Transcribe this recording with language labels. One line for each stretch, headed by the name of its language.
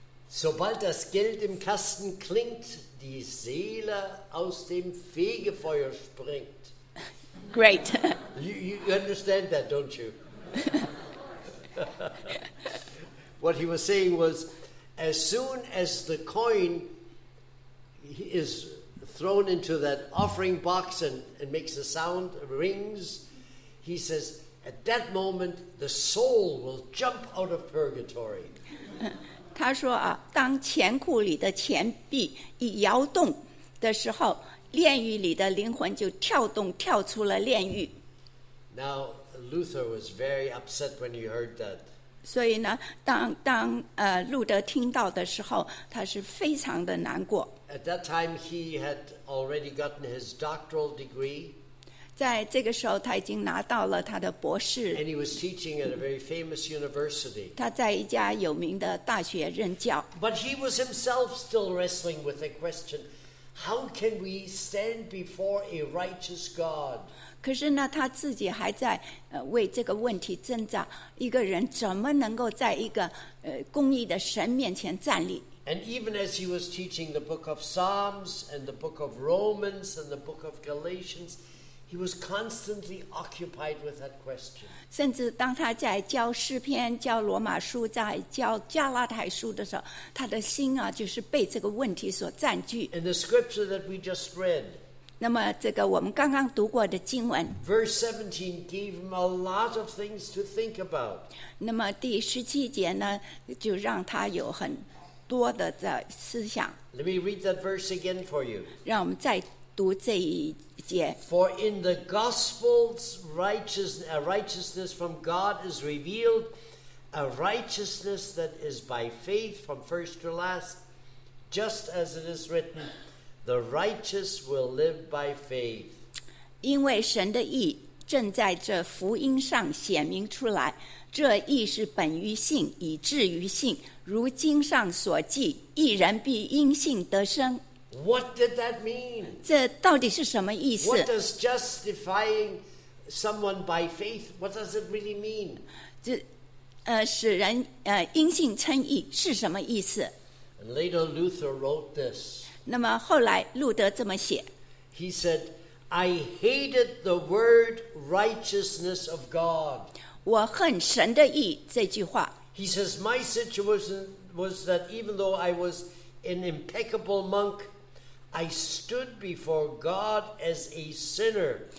German: Sobald das Geld im Kasten klingt,Die Seele aus dem Fegefeuer springt.
English: Great. you understand that, don't you? What he was saying was, as soon as the coin is thrown into that offering box and makes a sound, rings, he says, at that moment, the soul will jump out of purgatory.
Chinese: 他说啊，当钱库里的钱币一摇动的时候，炼狱里的灵魂就跳动，跳出了炼狱。
English: Now Luther was very upset when he heard that.
Chinese: 所以呢，当路德听到的时候，他是非常的难过。
English: At that time, he had already gotten his doctoral degree.
Chinese: 在这个时候，他已经拿到了他的博士。
English: And he was teaching at a very famous university.
Chinese: 他在一家有名的大学任教。
English: But he was himself still wrestling with the question, how can we stand before a righteous God?
Chinese: 可是呢，他自己还在为这个问题挣扎，一个人怎么能够在一个公义的神面前站立？
English: And even as he was teaching the book of Psalms and the book of Romans and the book of Galatians,He was constantly occupied with that question.
Chinese: 甚至当他在教诗篇、教罗马书、在教加拉太书的时候，他的心啊，就是被这个问题所占据。
English: In the scripture that we just read,
Chinese: 那么这个我们刚刚读过的经文
English: ，verse 17 gave him a lot of things to think about.
Chinese: 那么第十七节呢，就让他有很多的思想。
English: Let me read that verse again for you.
Chinese: 让我们再读这一节。
English: For in the Gospels, righteousness from God is revealed, a righteousness that is by faith from first to last, just as it is written, the righteous will live by faith.
Chinese: 因为神的义正在这福音上显明出来，这义是本于信，以至于信。如经上所记，义人必因信得生。
English: What did that mean?
Chinese: 这到底是什么意思？
English: What does justifying someone by faith, what does it really mean?
Chinese: 这使人因信称义是什么意思？
English: Later Luther wrote this.
Chinese: 那么后来路德这么写。
English: He said, I hated the word righteousness of God.
Chinese: 我恨神的义这句话。
English: He says, my situation was that even though I was an impeccable monk, I stood before God as a sinner.